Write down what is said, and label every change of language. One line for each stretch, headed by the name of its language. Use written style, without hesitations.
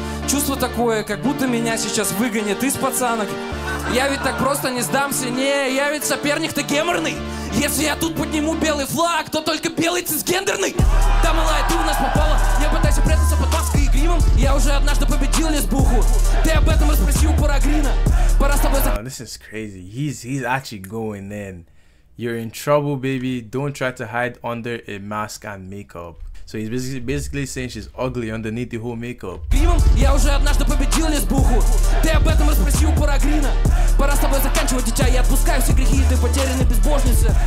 Russian: Чувство такое, как будто меня сейчас выгонят из пацанок. Я ведь так просто не сдамся, не, я ведь соперник-то геморный. Если я тут подниму белый флаг, то только белый цисгендерный. Да, малая, ты у нас попала, не пытайся прятаться под маской и гримом. Я уже однажды победил лесбуху, ты об этом расспроси у Парагрина. Пора с тобой...
English: Oh, this is crazy, he's actually going in. You're in trouble, baby, don't try to hide under a mask and makeup. So he's basically saying she's ugly underneath the whole makeup.
Russian: Я уже однажды победил лесбуху. Ты об этом расспроси у Парагрина. Пора с тобой заканчивать, дитя. Я отпускаю все грехи, ты потерянный безбожница.